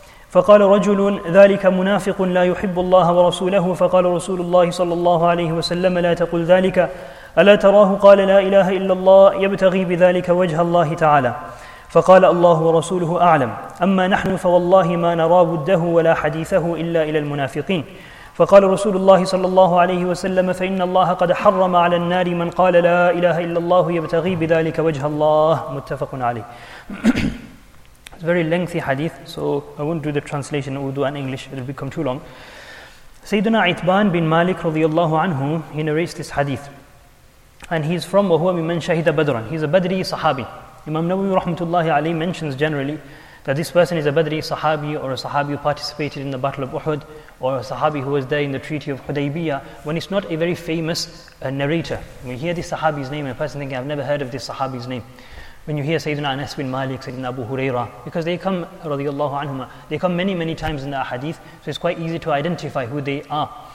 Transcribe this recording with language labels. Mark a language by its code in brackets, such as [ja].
[ar] فقال رجل ذلك منافق لا يحب الله ورسوله فقال رسول الله صلى الله عليه وسلم لا تقل ذلك ألا تراه قال لا إله إلا الله يبتغي بذلك وجه الله تعالى فقال الله ورسوله أعلم أما نحن فوالله ما نرى وده ولا حديثه إلا إلى المنافقين فقال رسول الله صلى الله عليه وسلم فإن الله قد حرم على النار من قال لا إله إلا الله يبتغي بذلك وجه الله متفق عليه [en] It's a very lengthy hadith, so I won't do the translation in Urdu and English, it'll become too long. Sayyidina Itban bin Malik radiallahu anhu, he narrates this hadith. And he's from [ar] وَهُوَ مِمَّنْ شَهِدَ بَدْرًا. [en] He's a Badri Sahabi. Imam Nawawi rahmatullahi alayhi mentions generally that this person is a Badri Sahabi, or a Sahabi who participated in the Battle of Uhud, or a Sahabi who was there in the Treaty of Hudaybiyah, when it's not a very famous narrator. When you hear this Sahabi's name, a person thinking, I've never heard of this Sahabi's name. When you hear Sayyidina Anas bin Malik, Sayyidina Abu Hurairah, because they come, radiallahu anhuma, they come many, many times in the hadith, so it's quite easy to identify who they are.